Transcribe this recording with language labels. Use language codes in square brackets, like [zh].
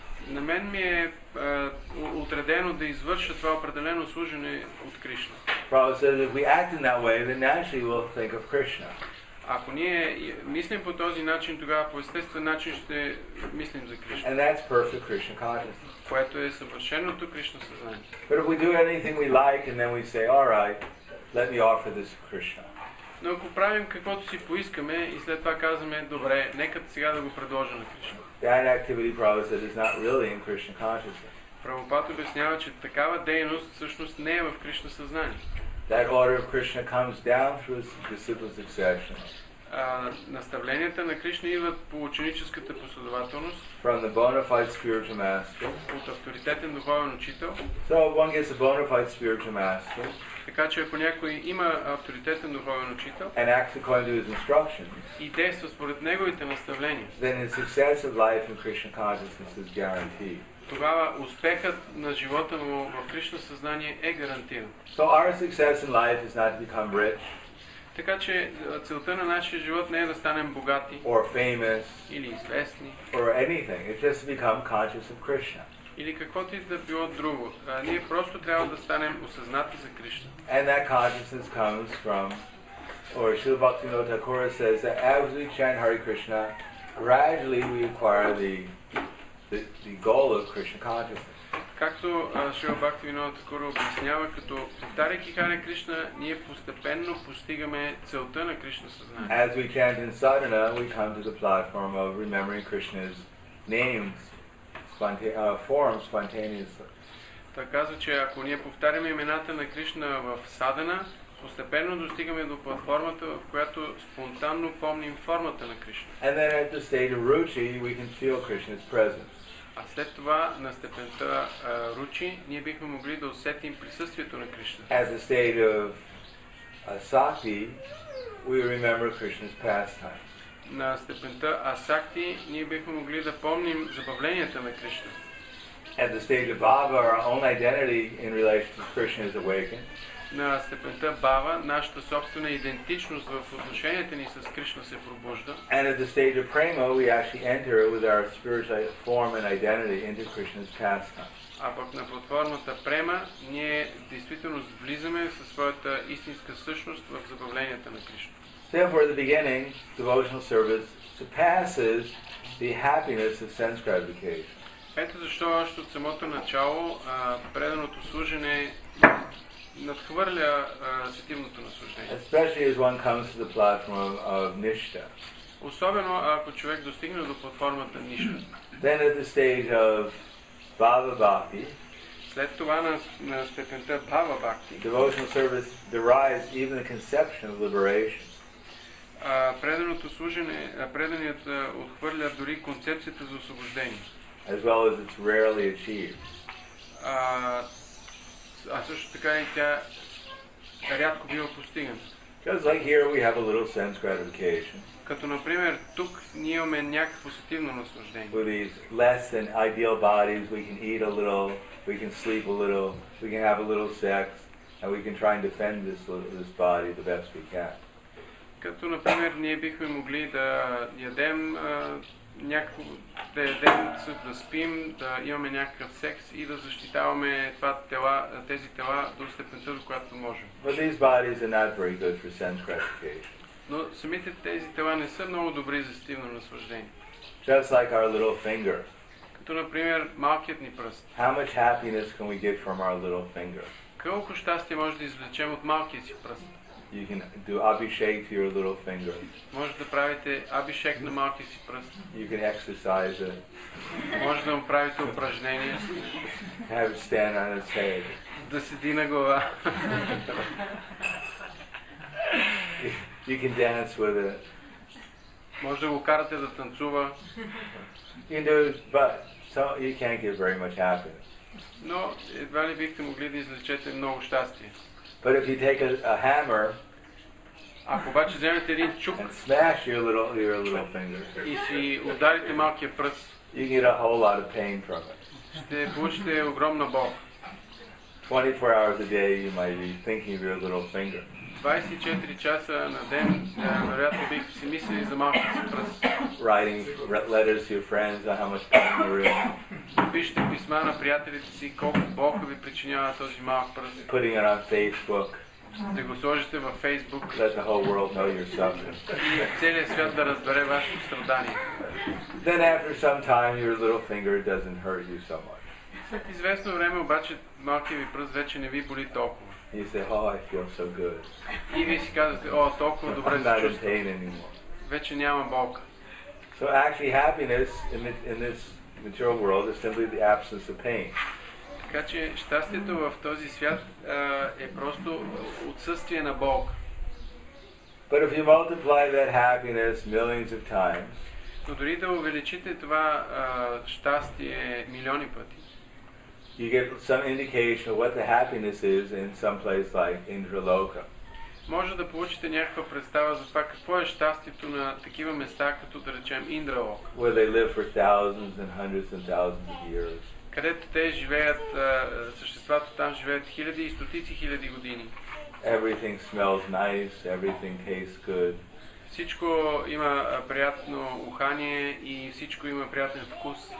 [bg] На мен ми е отредено да извърша това определено служение от Кришна. [en] Prabhupada says if we act in that way, then naturally we'll think of Krishna. [bg] Ако ние мислим по този начин, тогава по естествен начин ще мислим за Кришна. [en] And that's perfect Krishna consciousness. [bg] Което е съвършеното Кришна съзнание. [en] But if we do anything we like and then we say, all right, let me offer this to Krishna. [bg] Но ако правим каквото си поискаме и след това казваме, добре, нека сега да го предложим на Кришна. [en] That activity, Prabhupada says, is not really in Krishna consciousness. [bg] Прабхупада обяснява, че такава дейност всъщност не е в Кришна съзнание. [en] That order of Krishna comes down through the disciples' succession. [bg] Наставленията на Кришна идват по ученическата последователност. [en] From the bona fide spiritual master. [bg] От авторитетен духовен учител. [en] So one gets a bona fide spiritual master. [bg] Така че ако някой има авторитетен духовен учител. [en] And acts according to his instructions. [bg] И действа според неговите наставления. [en] Then the success of life in Krishna consciousness is guaranteed. [bg] Тогава успехът на живота му в Кришна съзнание е гарантиран. [en] So our success in life is not to become rich. [bg] Така че целта на нашия живот не е да станем богати [en] or famous [bg] или известни [en] or anything. It's just to become conscious of Krishna. [bg] Или каквото и да било друго. Ние просто трябва да станем осъзнати за Кришна. [en] And that consciousness comes from or Śrīla Bhaktivinoda Thakur says that as we chant Hare Krishna, gradually we acquire the goal of Krishna consciousness. [bg] Както Шрила Бхактивинода Такура обяснява, като повтаряйки Харе Кришна, ние постепенно постигаме целта на Кришна съзнание. [en] As we chant in sadhana, we come to the platform of remembering Krishna's names, form spontaneously. [bg] Така казва, че ако ние повтаряме имената на Кришна в садана, постепенно достигаме до платформата, в която спонтанно помним формата на Кришна. [en] And then at the state of ruchi, we can feel Krishna's presence. [bg] А след това на степента ручи ние бихме могли да усетим присъствието на Кришна. [en] As a state of asakti, we remember Krishna's pastime. [bg] На степента асакти ние бихме могли да помним забавленията на Кришна. [en] At the state of bhava, our own identity in relation to Krishna is awakened. [bg] На степента бава нашата собствена идентичност в отношенията ни с Кришна се пробужда. [en] And at the stage of prema, we actually enter with our spiritual form and identity into Krishna's pastime. [bg] А пък на платформата према ние действително влизаме със своята истинска същност в забавленията на Кришна. [en] Therefore, at the beginning, devotional service surpasses the happiness of sense gratification. [bg] Ето защо още от самото начало преданото служене надхвърля сетивното наслаждение. [en] Especially as one comes to the platform of nishtha. [bg] Особено ако човек достигне до платформата ништа. [en] Then at the stage of bhava bhakti. [bg] След това на степента bhava bhakti. [en] Devotional service derives even the conception of liberation. [bg] Преданото служене, преданият отхвърля дори концепцията за освобождение. [en] As well as it's rarely achieved. [bg] А също така и тя рядко бива постигана. [en] Just like here we have a little sense gratification. [bg] Като например тук ние имаме някакво сетивно наслаждение. [en] With these less than ideal bodies we can eat a little, we can sleep a little, we can have a little sex, and we can try and defend this body the best we can. [bg] Като например ние бихме могли да ядем някакво, да ядем, да спим, да имаме някакъв секс и да защитаваме това тела, тези тела до степента, до която можем. [en] But these bodies are not very good for sense gratification. [bg] Но самите тези тела не са много добри за стивно наслаждение. [en] Just like our little finger. [bg] Ту, например, малкият ни пръст. [en] How much happiness can we get from our little finger? [bg] Колко щастие може да извлечем от малкият си пръст? [en] You can do abhishek to your little finger. [bg] Може да правите абишек на малкият си пръст. [en] You can exercise it. [bg] Може да му правите упражнения. [en] Have it stand on its head. [bg] Да седи на глава. [en] You can dance with it. [bg] Може да го карате да танцува. [en] You can do it, but so you can't get very much happiness. [bg] Но едва ли бихте могли да извлечете много щастие. [en] But if you take a hammer, [bg] ако обаче вземете един чук, [en] smash your little finger, [bg] и си ударите малкия пръст, [en] you get a whole lot of pain from it. [bg] Ще получите огромна бол. [en] 24 hours a day you might be thinking of your little finger. [bg] 24 часа на ден, вероятно бих си мислили за малкия си пръст. [en] Writing letters to your friends on how much pain you're in. [bg] Пишете писма на приятелите си колко болка ви причинява този малък пръст. [en] Putting it on Facebook. [bg] Да го сложите във Facebook. [en] Let the whole world know your suffering. [bg] И целият свят да разбере вашето страдание. [en] Then after some time your little finger doesn't hurt you so much. [bg] След известно време обаче малкият ви пръст вече не ви боли толкова. [en] You say, oh, I feel so good. [bg] И вие си казвате, о, толкова добре се чувствам. Вече няма болка. [en] So actually happiness in this material world is simply the absence of pain. [bg] Така че щастието в този свят е просто отсъствие на болка. [en] But if you multiply that happiness millions of times, [bg] но дори да увеличите това щастие милиони пъти, [en] you get some indication of what the happiness is in some place like Indraloka. [bg] Може да получите някаква представа за това какво е щастието на такива места, като да речем Индралока. [en] Where they live for thousands and hundreds and thousands of years. [bg] Където те живеят, съществата там живеят хиляди и стотици хиляди години. [en] Everything smells nice, everything tastes good. [bg] Всичко има приятно ухание и всичко има приятен вкус.